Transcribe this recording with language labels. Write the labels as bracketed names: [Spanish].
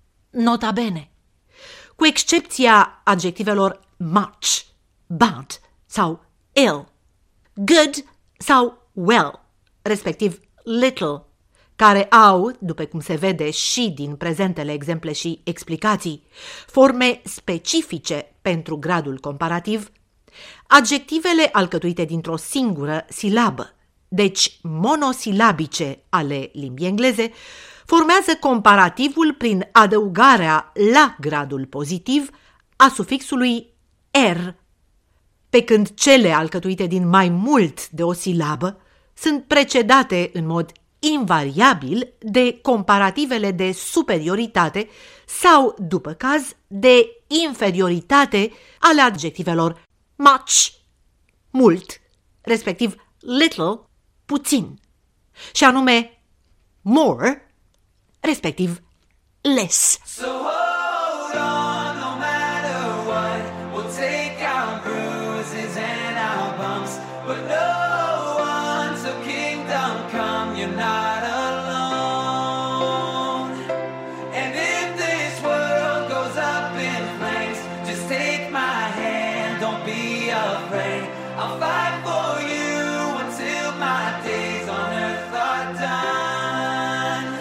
[Romanian] Nota bene. Cu excepția adjectivelor much, bad sau ill, good sau well, respectiv little, care au, după cum se vede și din prezentele exemple și explicații, forme specifice pentru gradul comparativ, adjectivele alcătuite dintr-o singură silabă, deci monosilabice ale limbii engleze, formează comparativul prin adăugarea la gradul pozitiv a sufixului er, pe când cele alcătuite din mai mult de o silabă sunt precedate în mod invariabil de comparativele de superioritate sau, după caz, de inferioritate ale adjectivelor much, mult, respectiv little, puțin, și anume more, respectiv less. [English] So hold on, no matter what, we'll take our bruises and our bumps, but no one till kingdom come, you're not alone. And if this world goes up in flames, just take my hand, don't be afraid, I'll fight for you until my days on earth are done.